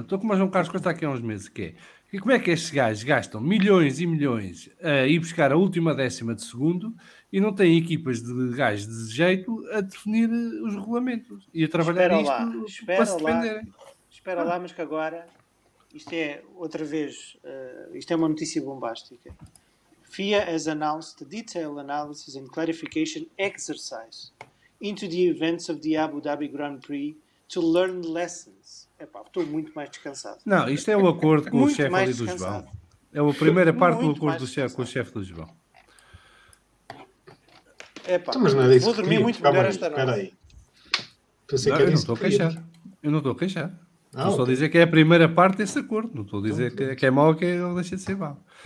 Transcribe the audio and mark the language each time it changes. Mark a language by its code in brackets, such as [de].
[pt] Estou como o João Carlos Costa aqui há uns meses, que é... E como é que estes gajos gastam milhões e milhões a ir buscar a última décima de segundo e não têm equipas de gajos de jeito a definir os regulamentos e a trabalhar espera isto lá. Espera para se defenderem? Espera lá, mas que agora... Isto é, outra vez, isto é uma notícia bombástica. [en] FIA has announced a detailed analysis and clarification exercise into the events of the Abu Dhabi Grand Prix to learn lessons. [pt] Epá, estou muito mais descansado. Não, isto é o acordo com o chefe ali do João. É a primeira parte do acordo do chefe com o chefe do João. Epá, vou dormir muito melhor esta noite. Espera aí. Eu não estou a queixar. Estou só a dizer que é a primeira parte desse acordo. Não estou a dizer que é mau ou que é, deixa de ser mau.